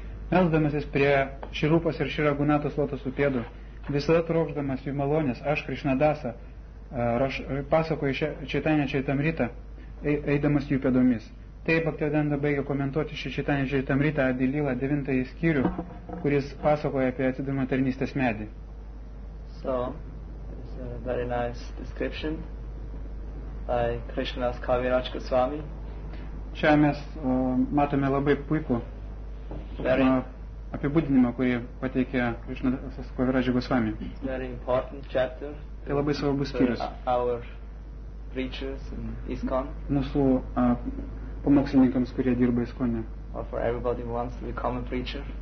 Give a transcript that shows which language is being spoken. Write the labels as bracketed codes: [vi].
[lt] Melsdamasis prie Shirupas ir Shiragunatos lotusų pėdų, visada trokšdamas jų malonės, aš, Krishna Dasa, pasakoju Chaitanya Charitamrita, eidamas jų pėdomis. Taip Bhaktivedanta baigė komentuoti šį Chaitanya Charitamrita Adi Lila 9 skyrių, kuris pasakoja apie atidavimo tarnystės medį. [en] So, it's a very nice description by Krishnas Kaviraj Goswami. [lt] Čia mes matome labai puikų apibūdinimą, kurį pateikė Krishnas Kaviraj Goswami. [en] Very important chapter. [lt] Tai labai svarbus skyrius. [en] Our preachers in ISKCON. [lt] Mūsų pamokslininkams, kurie dirba ISKCONe. [en] Or for everybody who wants to become a preacher.